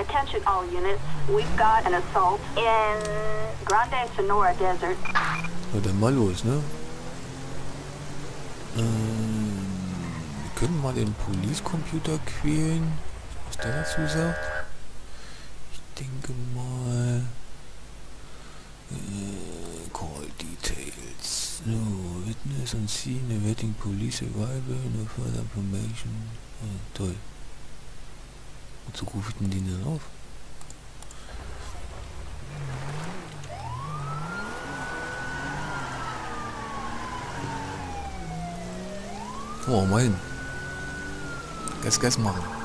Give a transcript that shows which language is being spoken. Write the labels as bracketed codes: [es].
[en] Attention all units, we've got an assault in Grande Sonora Desert. [de] Na dann mal los, ne? Wir können mal den Police Computer quälen, was der dazu sagt. Ich denke mal... [en] Call Details. No, Witness and Scene, Awaiting Police Arrival, No Further Information. [de] Oh, toll. Wozu rufe ich denn den dann auf? Oh, mal hin. Gas machen.